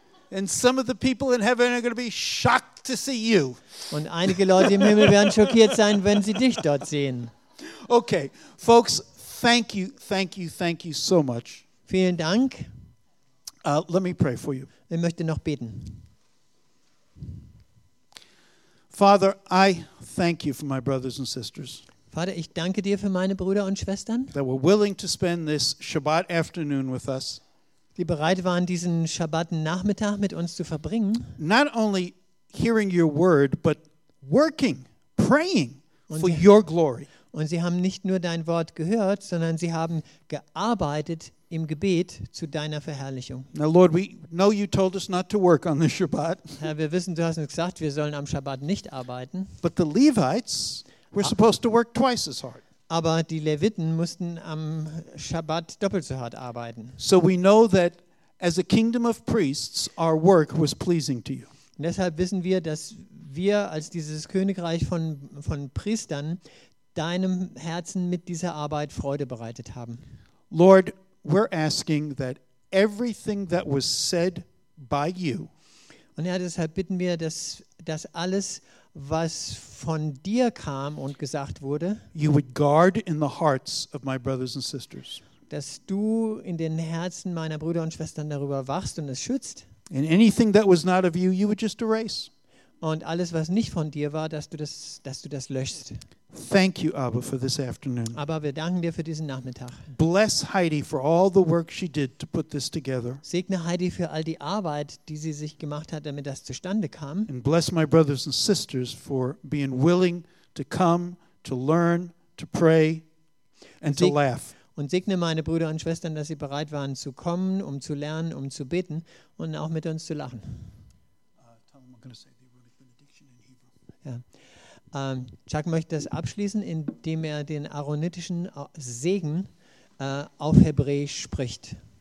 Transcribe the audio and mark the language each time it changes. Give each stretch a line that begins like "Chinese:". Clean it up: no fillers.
English: And some of the people in heaven are going to be shocked to see you.
German: Und einige Leute im Himmel werden schockiert sein, wenn sie dich dort sehen.
English: Okay, folks. Thank you, thank you, thank you so much.
German: Vielen Dank.
English: Let me pray for you.
German: Ich möchte noch beten.
English: Father, I thank you for my brothers and sisters.
German: Vater, ich danke dir für meine Brüder und Schwestern.
English: That were willing to spend this Shabbat afternoon with us.
German: Die bereit waren, diesen Shabbat-Nachmittag mit uns zu verbringen.
English: Not only hearing your word, but working, praying for your glory.
German: Und sie haben nicht nur dein Wort gehört, sondern sie haben gearbeitet im Gebet zu deiner Verherrlichung.
English: Now Lord, we know you told us not to work on the Shabbat.
German: Herr, wir wissen, du hast uns gesagt, wir sollen am Shabbat nicht arbeiten.
English: But the Levites were supposed to work twice as hard.
German: Aber die Leviten mussten am Shabbat doppelt so hart arbeiten.
English: So we know that as a kingdom of priests, our work was pleasing to you.
German: Und deshalb wissen wir, dass wir als dieses Königreich von Priestern deinem Herzen mit dieser Arbeit Freude bereitet haben.
English: Lord, we're asking that everything that was said by you.
German: Und Herr, deshalb bitten wir, dass alles, was von dir kam und gesagt wurde,
English: you would guard in the hearts of my brothers and sisters.
German: Dass du in den Herzen meiner Brüder und Schwestern darüber wachst und es schützt.
English: And anything that was not of you, you would just erase.
German: Und alles, was nicht von dir war, dass du das löschst.
English: Thank you, Abba, for this afternoon.
German: Aber wir danken dir für diesen Nachmittag.
English: Bless Heidi for all the work she did to put this together.
German: Segne Heidi für all die Arbeit, die sie sich gemacht hat, damit das zustande kam.
English: And bless my brothers and sisters for being willing to come, to learn, to pray, and to laugh.
German: Und segne meine Brüder und Schwestern, dass sie bereit waren zu kommen, um zu lernen, um zu beten und auch mit uns zu lachen. Chuck möchte das abschließen, indem er den aaronitischen Segen auf Hebräisch spricht.